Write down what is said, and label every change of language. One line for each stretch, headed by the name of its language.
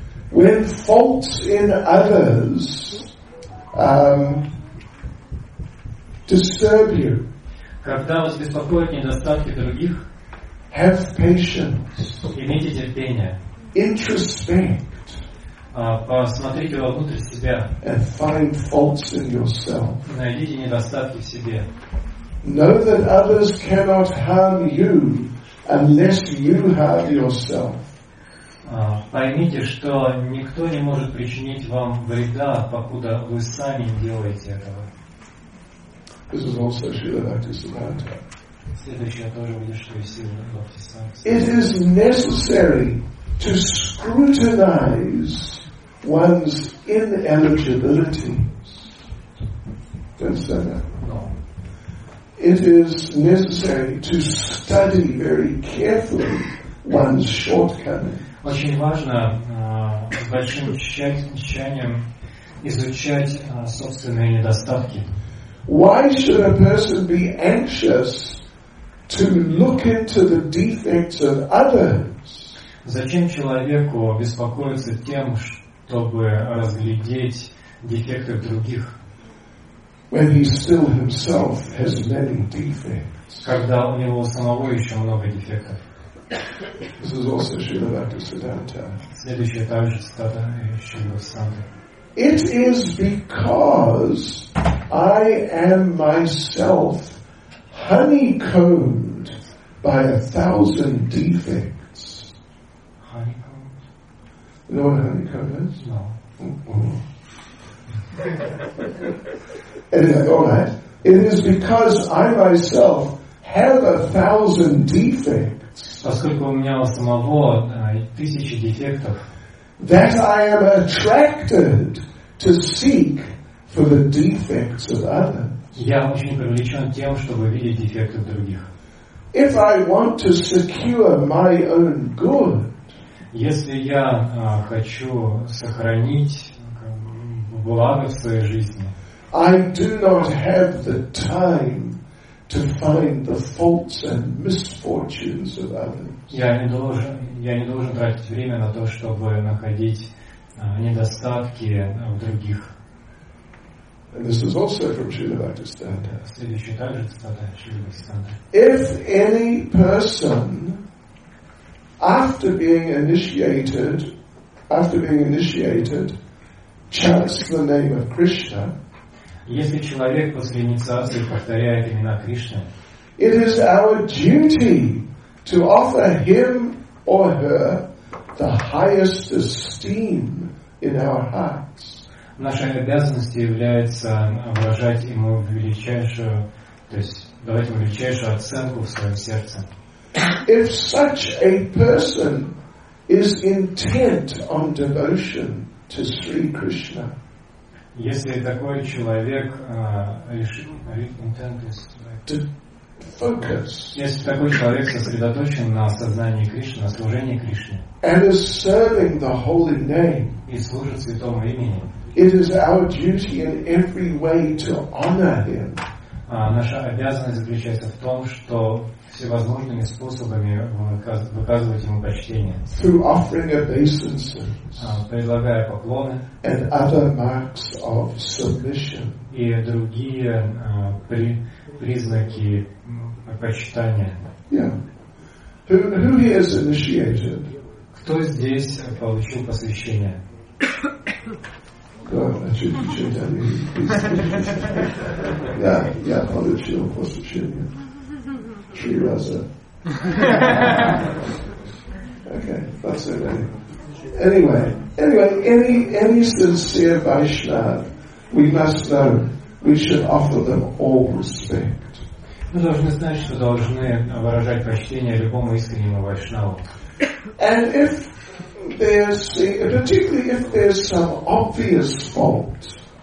English: When faults in others disturb you,
Russian: когда вас беспокоят недостатки других,
English: have patience.
Russian: Имейте терпение.
English: Introspect.
Russian: Посмотрите вовнутрь себя.
English: And find faults in yourself.
Russian: Найдите недостатки в себе.
English: Know that others cannot harm you unless you harm yourself.
Russian: Поймите, что никто не может причинить вам вреда, покуда вы сами не делаете этого.
English: This is also Srila Bhaktisiddhanta.
Russian: Следующее тоже будет Шри Сила Бхактисиддханта.
English: It is necessary to scrutinize one's ineligibilities. Don't say that. No. It is necessary to study very carefully one's shortcomings.
Russian: Очень важно с большим тщанием изучать собственные недостатки.
English: Why should a person be anxious to look into the defects of others?
Russian: Зачем человеку беспокоиться тем, чтобы разглядеть дефекты других?
English: When he still himself has many defects.
Russian: Когда у него самого еще много дефектов.
English: This is also Srila Bhaktisiddhanta.
Russian: Следующая также цитата Шрилы Бхактисиддханты.
English: It is because I am myself honeycombed by a thousand defects. Honeycombed? You know what a honeycomb is? No. Anyway, all right. It is because I myself have a thousand defects.
Russian: Поскольку у меня у самого тысячи дефектов.
English: That I am attracted to seek for the defects of others.
Russian: Я очень привлечен тем, чтобы видеть дефекты других.
English: If I want to secure my own good.
Russian: Если я хочу сохранить благо в своей жизни.
English: I do not have the time to find the faults and misfortunes of others.
Russian: Я не должен тратить время на то, чтобы находить недостатки в других.
English: And this is also from Srila Bhaktisiddhanta.
Russian: Следующая также цитата Шрилы Бхактисиддханты.
English: If any person, after being initiated, chants the name of Krishna.
Russian: Если человек после инициации повторяет имена Кришны,
English: it is our duty to offer him or her the highest esteem in our hearts.
Russian: Нашей обязанностью является выражать ему величайшую, то есть давать ему величайшую оценку в своем сердце.
English: If such a person is intent on devotion to Sri Krishna.
Russian: Если такой человек сосредоточен на сознании Кришны, на служении Кришне,
English: and is serving the holy name,
Russian: и служит святому имени,
English: it is our duty in every way to honor him.
Russian: Наша обязанность заключается в том, что всевозможными способами выказывать ему почтение.
English: Through offering obeisances,
Russian: предлагая поклоны,
English: and other marks of submission,
Russian: и другие признаки почитания.
English: Yeah. Who here is initiated?
Russian: Кто здесь получил посвящение? Я получил посвящение. Три раза.
English: Okay, that's it. Anyway, any sincere Vaishnav, we must know, we should offer them all respect.
Russian: Мы должны знать, что должны выражать почтение любому искреннему вайшнаву.
English: And if there's, particularly if there's some obvious fault.